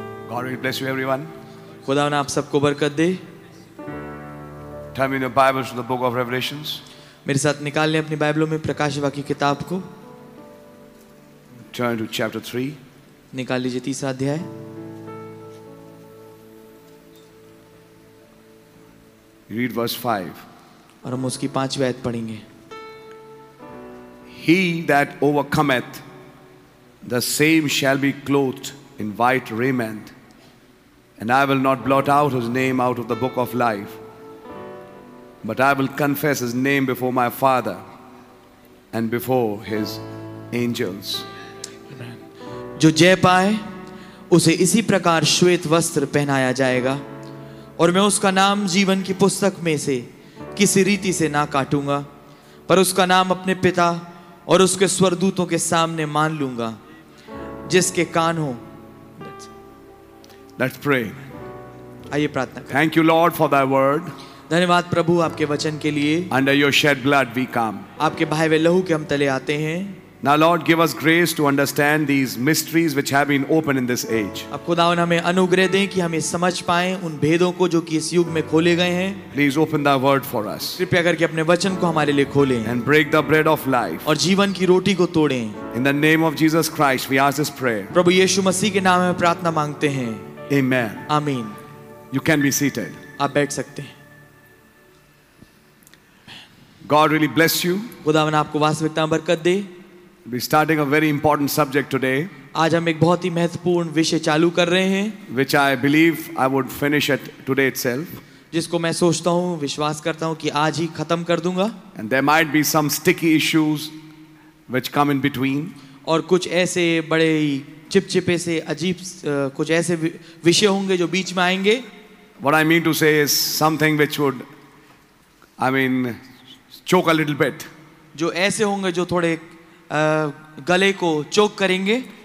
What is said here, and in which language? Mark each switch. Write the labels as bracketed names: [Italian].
[English] God will bless you, everyone. [Hindi] खुदा ने आप सबको बरकत दे. [English] Turn in your Bibles to the book of Revelations. [Hindi] मेरे साथ निकाल लें अपनी बाइबलों में प्रकाशवा की किताब को. [English] Turn to chapter 3. [Hindi] निकाल लीजिए तीसरा अध्याय. [English] Read verse 5. [Hindi] और हम उसकी पांचवी आयत पढ़ेंगे. [English] He that overcometh, the same shall be clothed in white raiment, and I will not blot out his name out of the book of life, but I will confess his name before my Father and before his angels. [Hindi] जो जय पाए उसे इसी प्रकार श्वेत वस्त्र पहनाया जाएगा और मैं उसका नाम जीवन की पुस्तक में से किसी रीति से ना काटूंगा पर उसका नाम अपने पिता और उसके स्वर्गदूतों के सामने मान लूंगा जिसके कान हो. [English] Let's pray. [Hindi] आइए प्रार्थना करें. [English] Thank you, Lord, for thy word. [Hindi] धन्यवाद प्रभु आपके वचन के लिए. [English] Under your shed blood we come. [Hindi] आपके बहाए हुए लहू के हम तले आते हैं. [English] Now, Lord, give us grace to understand these mysteries which have been opened in this age. [Hindi] अब खुदावन हमें अनुग्रह दें कि हमें समझ पाएं उन भेदों को जो कि इस युग में खोले गए हैं. [English] Please open the word for us. [Hindi] कृपया करके अपने वचन को हमारे लिए खोलें. [English] And break the bread of life. [Hindi] और जीवन की रोटी को तोड़ें. [English] In the name of Jesus Christ, we ask this prayer. [Hindi] प्रभु यीशु मसीह के नाम में प्रार्थना मांगते हैं. [English] Amen. [Hindi] आमीन. [English] You can be seated. [Hindi] आप बैठ सकते हैं. [English] God really bless you. [Hindi] खुदावन आपको वास्तविकता बरकत दे. [English] We're starting a very important subject today. [Hindi] आज हम एक बहुत ही महत्वपूर्ण विषय चालू कर रहे हैं. [English] Which I believe I would finish it today itself. [Hindi] जिसको मैं सोचता हूँ, विश्वास करता हूँ कि आज ही खत्म कर दूँगा. [English] And there might be some sticky issues which come in between. [Hindi] और कुछ ऐसे बड़े ही चिपचिपे से अजीब कुछ ऐसे विषय होंगे जो बीच में आएंगे. [English] What I mean to say is something which would, I mean, choke a little bit. [Hindi] जो ऐसे होंगे जो थोड़े गले को चोक करेंगे.